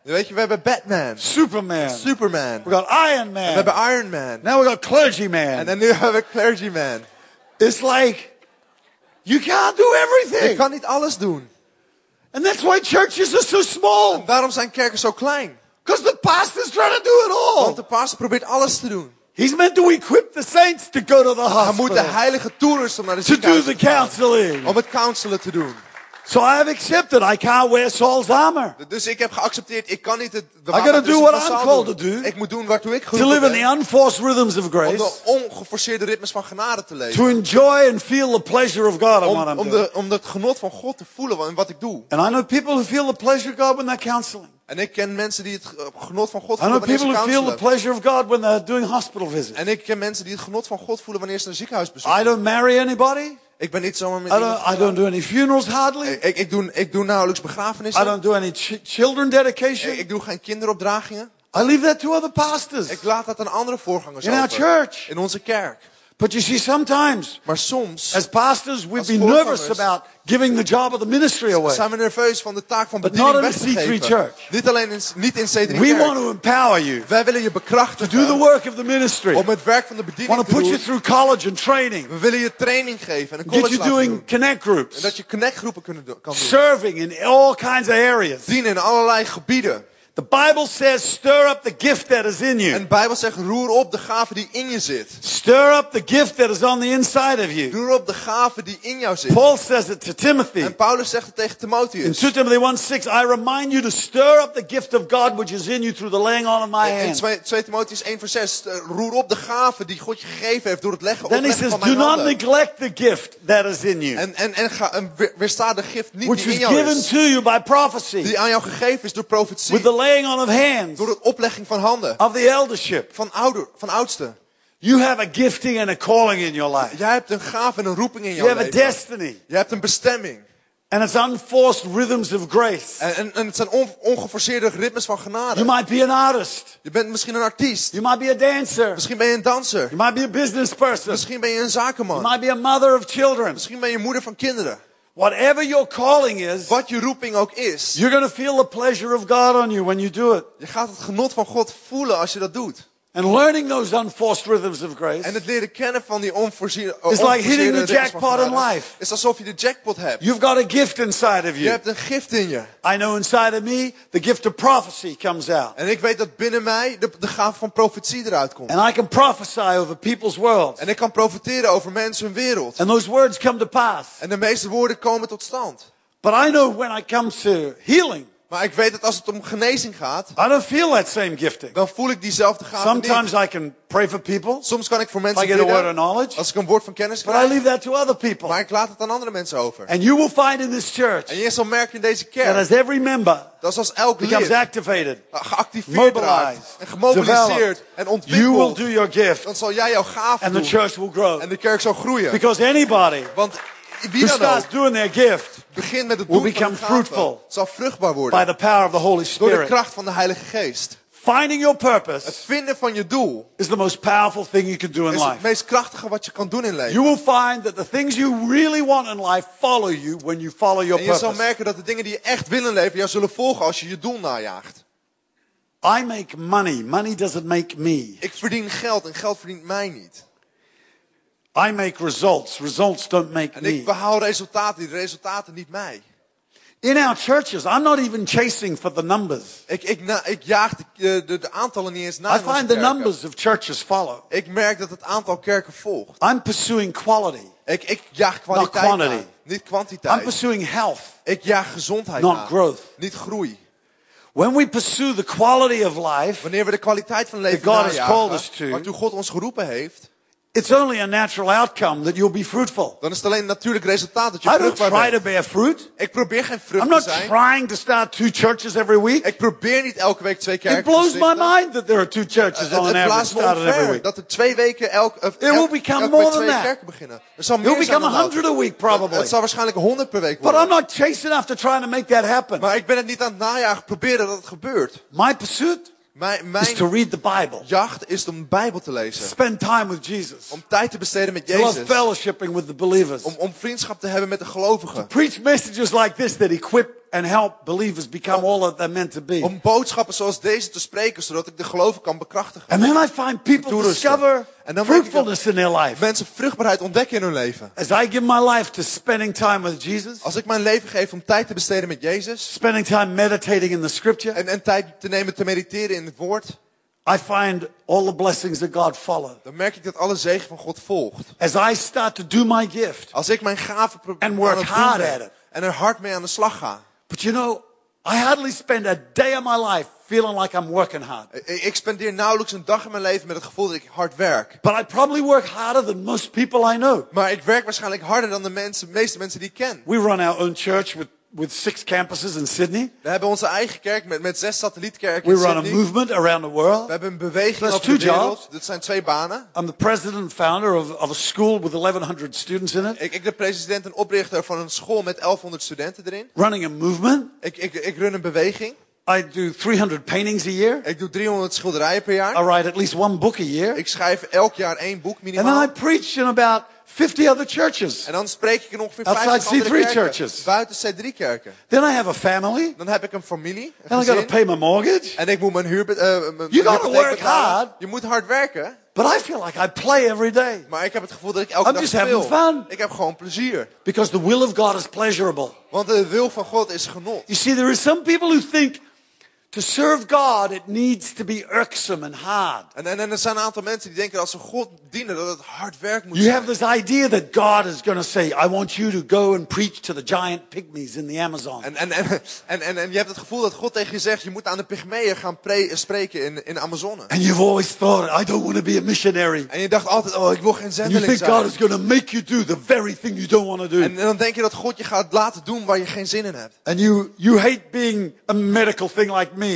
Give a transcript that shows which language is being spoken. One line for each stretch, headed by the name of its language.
Dutch: Weet je, we hebben Batman.
English: Superman. We got Iron Man.
Dutch: We hebben Iron Man.
English: Now we got Clergyman.
Dutch: En dan nu hebben we Clergyman.
English: It's like you can't do everything.
Dutch: Je kan niet alles doen.
English: And that's why churches are so small.
Dutch: En daarom zijn kerken zo klein.
English: Because the pastor's trying to do it all.
Dutch: Want de pastor probeert alles te doen.
English: He's meant to equip the saints to go to the hospital.
Dutch: Hij moet de heilige toerusten om naar de ziekenhuis
English: to do the counseling.
Dutch: Om het counselen te doen.
English: So I have accepted. I can't wear Saul's armor.
Dutch: Dus ik heb geaccepteerd. Ik kan niet de
English: I gotta do what I'm called to do.
Dutch: Ik moet doen waartoe ik geroepen ben.
English: To live in the unforced rhythms of grace.
Dutch: Om de ongeforceerde ritmes van genade te leven.
English: To enjoy and feel the pleasure of God in what I'm doing.
Dutch: Om het genot van God te voelen in wat ik doe.
English: And I know people who feel the pleasure of God when they're counseling.
Dutch: En ik ken mensen die het genot van God voelen wanneer ze counselen.
English: The pleasure of God when they're doing hospital visits.
Dutch: En ik ken mensen die het genot van God voelen wanneer ze een ziekenhuis bezoeken.
English: I don't marry anybody.
Dutch: Ik ben niet zomaar met
English: I don't do any funerals hardly.
Dutch: Ik doe nauwelijks begrafenissen.
English: I don't do any children dedication.
Dutch: Ik doe geen kinderopdragingen.
English: I leave that to other pastors.
Dutch: Ik laat dat aan andere voorgangers in over.
English: Our church.
Dutch: In onze kerk.
English: But you see, sometimes,
Dutch: maar soms,
English: as pastors, we'd be nervous about giving the job of the ministry away.
Dutch: Zijn we nerveus van de taak van bediening weg te geven.
English: But not in C3 Church.
Dutch: Niet alleen in C3 Church.
English: We want to empower you.
Dutch: Wij willen je bekrachtigen.
English: To do the work of the ministry.
Dutch: Om het werk van de bediening te doen.
English: Want to put you through college and training.
Dutch: We willen je training geven en een college laten doen.
English: Get you doing connect groups.
Dutch: En dat je connect groepen kunnen doen.
English: Serving in all kinds of areas.
Dutch: Dienen in allerlei gebieden.
English: The Bible says, "Stir up the gift that is in you."
Dutch: En Bijbel zegt, roer op de gave die in je zit.
English: Stir up the gift that is on the inside of you.
Dutch: Roer op de gave die in jou zit.
English: Paul says it to Timothy.
Dutch: En Paulus zegt het tegen Timotheus.
English: In 2 Timothy 1:6, I remind you to stir up the gift of God which is in you through the laying on of my hands.
Dutch: In 2 Timotheus 1:6, roer op de gave die God je gegeven heeft door het leggen op mijn handen.
English: Then he says, do not neglect the gift that is in you.
Dutch: En weersta de gift niet
English: which
Dutch: die in jou
English: is. Given to you by prophecy.
Dutch: Die aan jou gegeven is door profetie.
English: With the laying on of hands,
Dutch: door de oplegging van handen
English: of the eldership,
Dutch: van oudsten.
English: You have a gifting and a calling in your life.
Dutch: Jij hebt een gave en een roeping in jouw leven.
English: You have a destiny.
Dutch: Jij hebt een bestemming.
English: And it's unforced rhythms of grace.
Dutch: En het zijn ongeforceerde ritmes van genade.
English: You might be an artist.
Dutch: Je bent misschien een artiest.
English: You might be a dancer.
Dutch: Misschien ben je een danser.
English: You might be a business person.
Dutch: Misschien ben je een zakenman.
English: You might be a mother of children.
Dutch: Misschien ben je moeder van kinderen.
English: Whatever your calling is,
Dutch: wat je roeping ook is,
English: you're going to feel the pleasure of God on you when you do it.
Dutch: Je gaat het genot van God voelen als je dat doet.
English: And learning those unforced rhythms of grace,
Dutch: en het leren kennen van die onvoorziene,
English: is like hitting the jackpot in life.
Dutch: Is alsof je de jackpot hebt.
English: You've got a gift inside of you.
Dutch: Je hebt een gift in je.
English: I know inside of me, the gift of prophecy comes out.
Dutch: En ik weet dat binnen mij de gave van profetie eruit komt.
English: And I can prophesy over people's worlds.
Dutch: En ik kan profeteren over mensen hun wereld.
English: And those words come to pass.
Dutch: En de meeste woorden komen tot stand.
English: But I know when I come to healing.
Dutch: Maar ik weet dat als het om genezing gaat,
English: I don't feel that same gifting.
Dutch: Dan voel ik diezelfde gaven
English: sometimes
Dutch: niet.
English: I can pray for people.
Dutch: Soms kan ik voor mensen bidden.
English: I get a word of knowledge.
Dutch: Als ik een woord van kennis
English: but
Dutch: krijg.
English: I leave that to other people.
Dutch: Maar ik laat het aan andere mensen over.
English: And you will find in this church,
Dutch: en je zal merken in deze kerk.
English: That as every member,
Dutch: dat als elk lid
English: becomes activated,
Dutch: geactiveerd
English: mobilized,
Dutch: en gemobiliseerd en ontwikkeld.
English: You will do your gift,
Dutch: dan zal jij jouw gaven doen.
English: And the church will grow.
Dutch: En de kerk zal groeien.
English: Because anybody,
Dutch: want
English: who starts doing their gift
Dutch: begin met het
English: will become fruitful
Dutch: zal vruchtbaar worden
English: by the power of the Holy Spirit.
Dutch: Door de kracht van de Heilige Geest.
English: Finding your purpose,
Dutch: het vinden van je doel,
English: is the most powerful thing you can do in life.
Dutch: Is het meest krachtige wat je kan doen in leven.
English: You will find that the things you really want in life follow you when you follow your purpose.
Dutch: En je zal merken dat de dingen die je echt wil in leven jou zullen volgen als je je doel najaagt.
English: I make money. Money doesn't make me.
Dutch: Ik verdien geld en geld verdient mij niet.
English: I make results. Results don't make me.
Dutch: En ik behaal resultaten. De resultaten niet mij.
English: In our churches, I'm not even chasing for the numbers.
Dutch: Ik jaag de aantallen niet eens na.
English: I find the numbers of churches follow.
Dutch: Ik merk dat het aantal kerken volgt.
English: I'm pursuing quality.
Dutch: Ik jaag kwaliteit.
English: Not quantity.
Dutch: Niet kwantiteit.
English: I'm pursuing health.
Dutch: Ik jaag gezondheid.
English: Not growth.
Dutch: Niet groei.
English: When we pursue the quality of life,
Dutch: wanneer we de kwaliteit van leven
English: God has called us to,
Dutch: waartoe God ons geroepen heeft.
English: It's only a natural outcome that you'll be fruitful.
Dutch: Dan is het alleen een natuurlijk resultaat dat je vruchtbaar bent.
English: I don't try to bear fruit.
Dutch: Ik probeer geen vrucht te zijn.
English: I'm not trying to start two churches every week.
Dutch: Ik probeer niet elke week twee kerken te starten.
English: It blows my mind that there are two churches on average started every week.
Dutch: Dat er twee weken elke week twee kerken beginnen.
English: It will become 100 a week probably.
Dutch: Het zal waarschijnlijk 100 per week worden.
English: But I'm not chasing after trying to make that happen.
Dutch: Maar ik ben het niet aan het najagen proberen dat het gebeurt.
English: My pursuit.
Dutch: Mijn
English: is to read the Bible.
Dutch: Jacht is om de Bijbel te lezen.
English: Spend time with Jesus.
Dutch: Om tijd te besteden met Jezus.
English: To love fellowshipping with the believers.
Dutch: Om vriendschap te hebben met de gelovigen.
English: To preach messages like this that equip and help believers become all that they're meant to be.
Dutch: Om boodschappen zoals deze te spreken zodat ik de geloven kan bekrachtigen.
English: And then I find people discover fruitfulness in their life.
Dutch: Mensen vruchtbaarheid ontdekken in hun leven.
English: As I give my life to spending time with Jesus.
Dutch: Als ik mijn leven geef om tijd te besteden met Jezus.
English: Spending time meditating in the scripture.
Dutch: En tijd te nemen te mediteren in het woord.
English: I find all the blessings that God follow.
Dutch: Dan merk ik dat alle zegen van God volgt.
English: As I start to do my gift.
Dutch: Als ik mijn gave probeer
English: and work hard at it.
Dutch: En er hard mee aan de slag ga.
English: But you know, I hardly spend a day of my life feeling like I'm working hard.
Dutch: Ik spendeer nauwelijks een dag in mijn leven met het gevoel dat ik hard werk.
English: But I probably work harder than most people I know.
Dutch: Maar ik werk waarschijnlijk harder dan meeste mensen die ik ken.
English: We run our own church with 6 campuses in Sydney.
Dutch: We hebben onze eigen kerk met 6 satellietkerken in Sydney.
English: We run a movement around the world.
Dutch: We hebben een beweging over de wereld. Dat zijn 2 banen.
English: I'm the president and founder of a school with 1100 students in it.
Dutch: Ik de president en oprichter van een school met 1100 studenten erin.
English: Running a movement.
Dutch: Ik run een beweging.
English: I do 300 paintings a year.
Dutch: Ik doe 300 schilderijen per jaar.
English: I write at least one book a year.
Dutch: Ik schrijf elk jaar 1 boek minimaal.
English: And then I preach in about 50 other churches.
Dutch: En dan spreek ik in ongeveer 50 andere kerken.
English: C3 churches.
Dutch: Buiten C3 kerken.
English: Then I have a family.
Dutch: Dan heb ik een familie.
English: And I got to pay my mortgage.
Dutch: En ik moet mijn huur
English: You got to work hard.
Dutch: Je moet hard werken.
English: But I feel like I play every day.
Dutch: Maar ik heb het gevoel dat ik elke dag speel.
English: I'm just having fun.
Dutch: Ik heb gewoon plezier.
English: Because the will of God is pleasurable.
Dutch: Want de wil van God is genot.
English: You see, there are some people who think to serve God, it needs to be irksome and hard.
Dutch: En er zijn een aantal mensen die denken dat als ze God dienen, dat het hard werk moet zijn.
English: You have this idea that God is going to say, I want you to go and preach to the giant pygmies in the Amazon.
Dutch: En je hebt het gevoel dat God tegen je zegt, je moet aan de pygmeeën gaan spreken in Amazone.
English: And you've always thought, I don't want to be a missionary.
Dutch: En je dacht altijd, oh, ik wil geen zendeling zijn.
English: You think God is going to make you do the very thing you don't want to do.
Dutch: En dan denk je dat God je gaat laten doen waar je geen zin in hebt.
English: And you hate being a medical thing like me.